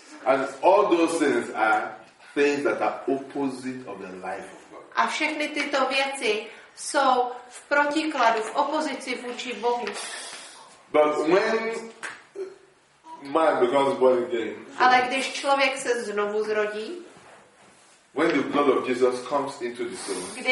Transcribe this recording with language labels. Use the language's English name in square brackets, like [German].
[English] And all those things are things that are opposite of the life of God. [Czech] A všechny tyto věci jsou v protikladu, v opozici vůči Bohu. [English] But when man becomes born again, [Czech] ale když člověk se znovu zrodí, [English] when the blood of Jesus comes into the soul,